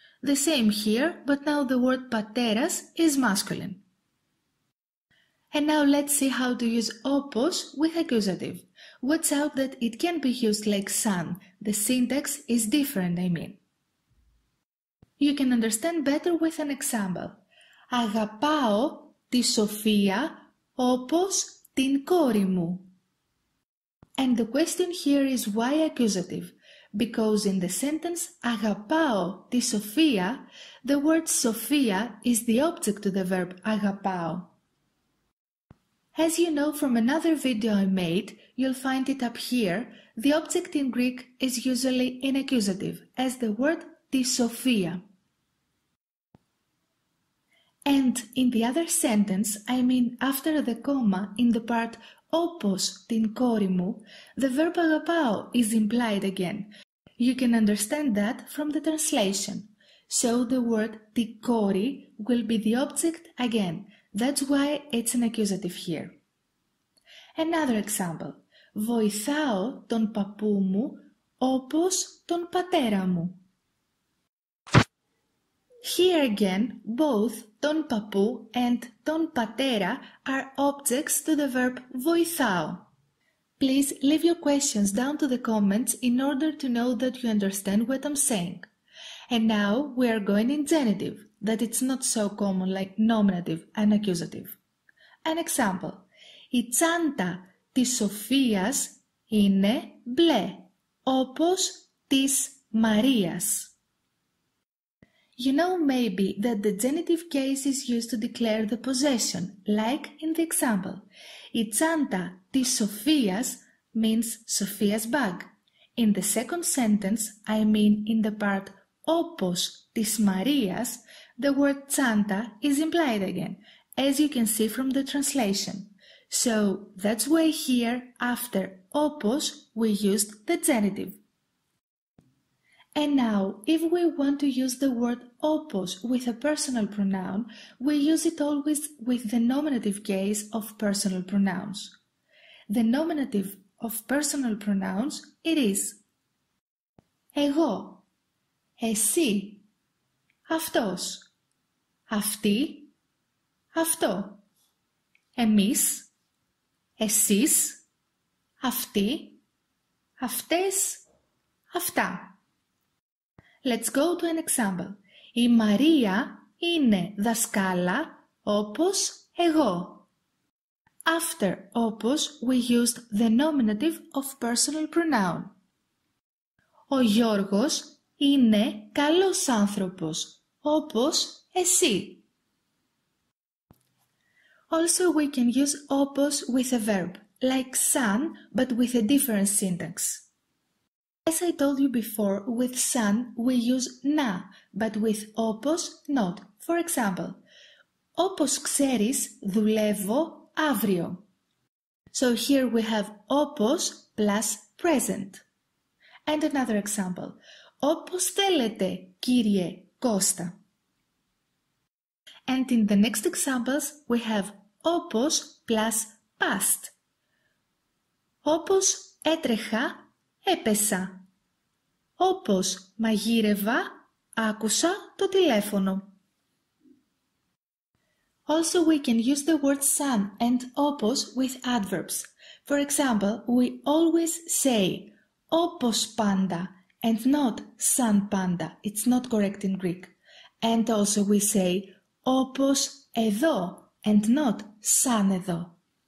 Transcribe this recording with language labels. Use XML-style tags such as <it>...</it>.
<en>The same here, but now the word πατέρας is masculine. And now let's see how to use όπως with accusative. Watch out that it can be used like σαν. The syntax is different, I mean. You can understand better with an example.</en> <el>Αγαπάω τη Σοφία όπως την κόρη μου.</el> <en>And the question here is why accusative? Because in the sentence</en> <el>αγαπάω τη Σοφία,</el> <en>the word Σοφία is the object to the verb αγαπάω. As you know from another video I made, you'll find it up here, the object in Greek is usually in accusative, as the word</en> <el>τη Σοφία.</el> <en>And in the other sentence, I mean after the comma in the part</en> <el>όπως την κόρη μου,</el> <en>the verb αγαπάω is implied again. You can understand that from the translation. So the word</en> <el>την κόρη</el> <en>will be the object again. That's why it's an accusative here. Another example.</en> <el>Βοηθάω τον παππού μου όπως τον πατέρα μου.</el> <en>Here again, both</en> <el>τον παππού</el> <en>and</en> <el>τον πατέρα</el> <en>are objects to the verb βοηθάω. Please leave your questions down to the comments in order to know that you understand what I'm saying. And now we are going in genitive, that it's not so common like nominative and accusative. An example.</en> <el>Η τσάντα της Σοφίας είναι μπλε, όπως της Μαρίας.</el> <en>You know maybe that the genitive case is used to declare the possession, like in the example.</en> <el>Η τσάντα της Σοφίας</el> <en>means Sophia's bag. In the second sentence, I mean in the part</en> <el>όπως της Μαρίας,</el> <en>the word τσάντα is implied again, as you can see from the translation. So that's why here, after όπως, we used the genitive. And now, if we want to use the word όπως with a personal pronoun, we use it always with the nominative case of personal pronouns. The nominative of personal pronouns, it is</en> <el>εγώ, εσύ, αυτός, αυτή, αυτό, εμείς, εσείς, αυτοί, αυτές, αυτά.</el> <en>Let's go to an example.</en> <el>Η Μαρία είναι δασκάλα όπως εγώ.</el> <en>After όπως, we used the nominative of personal pronoun.</en> <el>Ο Γιώργος είναι καλός άνθρωπος όπως εσύ.</el> <en>Also, we can use όπως with a verb, like σαν, but with a different syntax. As I told you before, with σαν we use να, but with όπως not. For example,</en> <el>όπως ξέρεις δουλεύω αύριο.</el> <en>So here we have όπως plus present. And another example,</en> <el>όπως θέλετε κύριε Κώστα.</el> <en>And in the next examples we have όπως plus past.</en> <el>Όπως έτρεχα έπεσα. Όπως μαγείρευα, άκουσα το τηλέφωνο.</el> <en>Also, we can use the words σαν and όπως with adverbs. For example, we always say</en> <el>όπως πάντα</el> <en>and not</en> <el>σαν πάντα.</el> <en>It's not correct in Greek. And also we say</en> <el>όπως εδώ</el> <en>and not</en> <el>σαν εδώ.</el>